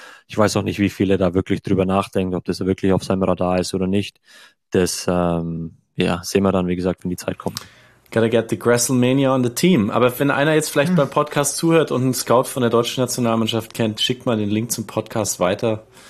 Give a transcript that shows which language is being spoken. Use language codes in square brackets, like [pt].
[de] Ich weiß auch nicht, wie viele da wirklich drüber nachdenken, ob das wirklich auf seinem Radar ist oder nicht. Das sehen wir dann, wie gesagt, wenn die Zeit kommt. [en] Gotta get the WrestleMania on the team. [de] Aber wenn einer jetzt vielleicht beim Podcast zuhört und einen Scout von der deutschen Nationalmannschaft kennt, schickt mal den Link zum Podcast weiter.